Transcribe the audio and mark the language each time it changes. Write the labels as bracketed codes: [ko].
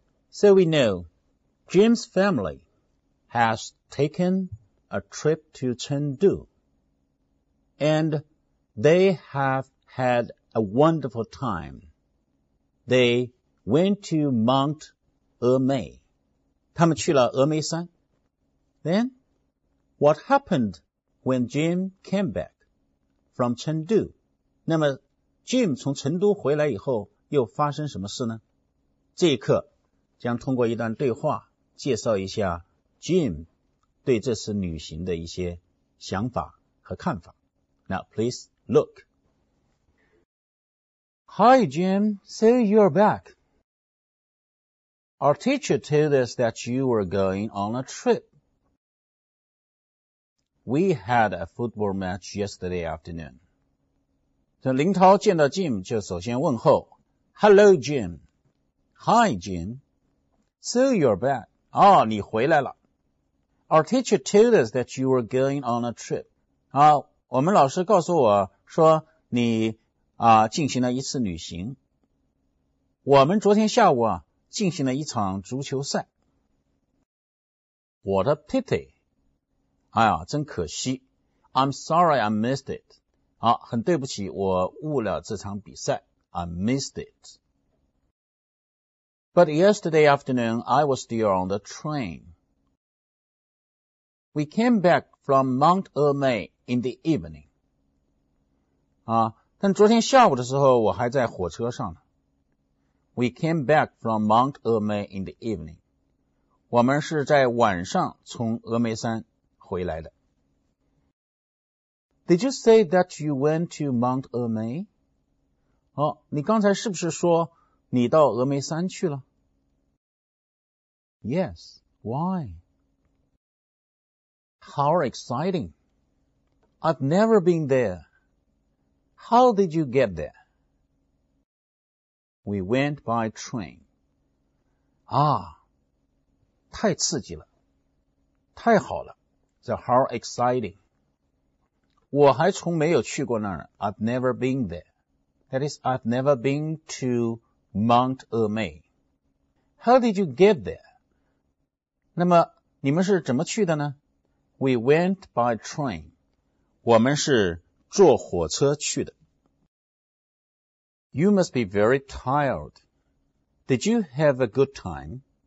[en] So we know, Jim's family has taken a trip to Chengdu, and they have had a wonderful time. They went to Mount Emei. [zh] 他们去了峨眉山。 [en] Then, what happened when Jim came back from Chengdu? [zh] 那么 Jim 从成都回来以后又发生什么事呢？这一课将通过一段对话介绍一下 Jim 对这次旅行的一些想法和看法。 [en] Now please look. Hi Jim, so you're back. Our teacher told us that you were going on a trip. We had a football match yesterday afternoon. [zh] 林涛见到 Jim 就首先问候 [en] Hello Jim Hi Jim So you're back [zh] 哦你回来了 [en] Our teacher told us that you were going on a trip [zh] 好、我们老师告诉我说你进行了一次旅行我们昨天下午进行了一场足球赛 [en] What a pity [zh] 哎呀真可惜 [en] I'm sorry I missed it [zh] 好，很对不起，我误了这场比赛。 [en] I missed it. But yesterday afternoon, I was still on the train. We came back from Mount Emei in the evening. [zh] 但昨天下午的时候，我还在火车上呢。 [en] We came back from Mount Emei in the evening. [zh] 我们是在晚上从峨眉山回来的。 [en] Did you say that you went to Mount Emei? [zh] 哦，你刚才是不是说你到峨眉山去了？ [en] Yes, why? How exciting! I've never been there. How did you get there? We went by train. [zh] 啊，太刺激了，太好了。 [en] So how exciting! [zh] 我还从没有去过那儿 [en] I've never been there. That is, I've never been to Mount Emei. How did you get there? [zh] 那么你们是怎么去的呢 [en] We went by train. [zh] 我们是坐火车去的。 [en] You must be very tired. Did you have a good time?